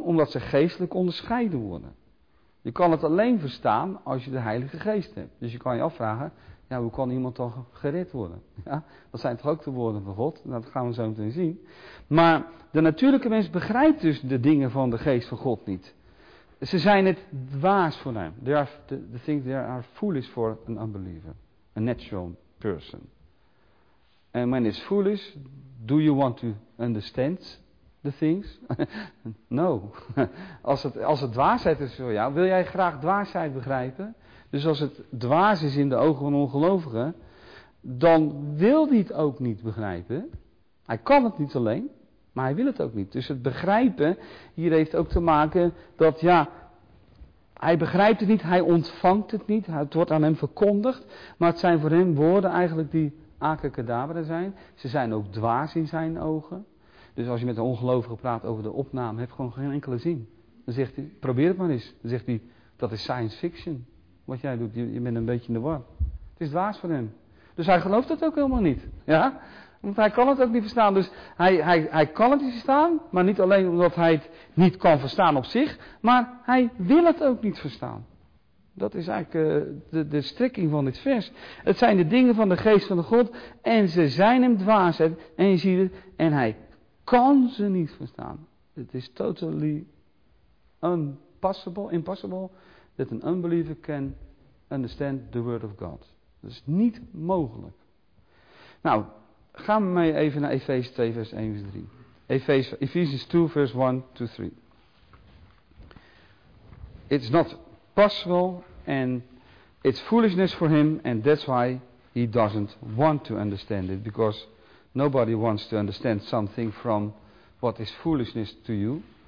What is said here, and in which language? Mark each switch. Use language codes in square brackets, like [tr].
[nl] Omdat ze geestelijk onderscheiden worden. Je kan het alleen verstaan als je de Heilige Geest hebt. Dus je kan je afvragen, ja, hoe kan iemand dan gered worden? Ja, dat zijn toch ook de woorden van God? Dat gaan we zo meteen zien. Maar de natuurlijke mens begrijpt dus de dingen van de geest van God niet. Ze zijn het dwaas voor hem. [en] The things they are foolish for an unbeliever. A natural person. And when it's foolish, do you want to understand the things? No. [nl] Als het dwaasheid is voor jou, wil jij graag dwaasheid begrijpen? Dus als het dwaas is in de ogen van ongelovigen, dan wil hij het ook niet begrijpen. Hij kan het niet alleen. Maar hij wil het ook niet. Dus het begrijpen hier heeft ook te maken dat ja, hij begrijpt het niet, hij ontvangt het niet, het wordt aan hem verkondigd. Maar het zijn voor hem woorden eigenlijk die akekadaveren zijn. Ze zijn ook dwaas in zijn ogen. Dus als je met een ongelovige praat over de opname, heb je gewoon geen enkele zin. Dan zegt hij, probeer het maar eens. Dan zegt hij, dat is science fiction wat jij doet, je bent een beetje in de war. Het is dwaas voor hem. Dus hij gelooft het ook helemaal niet. Ja? Want hij kan het ook niet verstaan. Dus hij kan het niet verstaan, maar niet alleen omdat hij het niet kan verstaan op zich, maar hij wil het ook niet verstaan. Dat is eigenlijk de strekking van dit vers. Het zijn de dingen van de geest van de God en ze zijn hem dwaasheid. En je ziet het, en hij kan ze niet verstaan. Het is [en] totally impossible that an unbeliever can understand the word of God. [nl] Dat is niet mogelijk. Nou, gaan we mee even naar Efeze 2 vers 1 vers 3. Efeze 2 vers 1 to 3. [en] It's not possible and it's foolishness for him and that's why he doesn't want to understand it. Because nobody wants to understand something from what is foolishness to you.